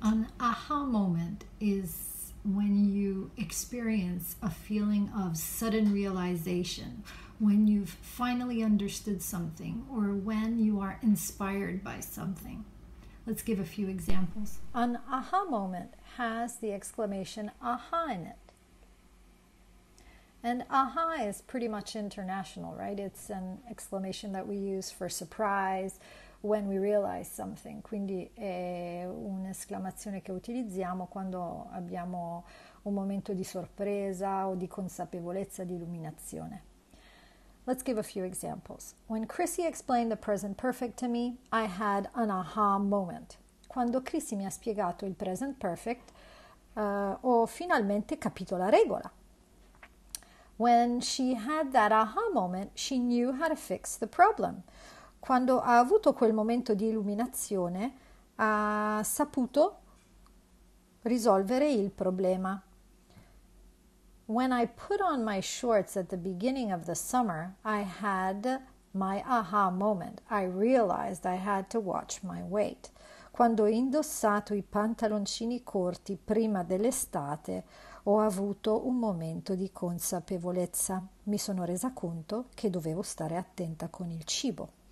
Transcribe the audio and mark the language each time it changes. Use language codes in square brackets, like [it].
[en] An aha moment is when you experience a feeling of sudden realization, when you've finally understood something, or when you are inspired by something. Let's give a few examples. An aha moment has the exclamation aha in it. And aha is pretty much international, right? It's an exclamation that we use for surprise when we realize something. [it] Quindi è un'esclamazione che utilizziamo quando abbiamo un momento di sorpresa o di consapevolezza, di illuminazione. [en] Let's give a few examples. When Chrissy explained the present perfect to me, I had an aha moment. [it] Quando Chrissy mi ha spiegato il present perfect, ho finalmente capito la regola. [en] When she had that aha moment, she knew how to fix the problem. [it] Quando ha avuto quel momento di illuminazione, ha saputo risolvere il problema. [en] When I put on my shorts at the beginning of the summer, I had my aha moment. I realized I had to watch my weight. [it] Quando ho indossato i pantaloncini corti prima dell'estate, ho avuto un momento di consapevolezza. Mi sono resa conto che dovevo stare attenta con il cibo.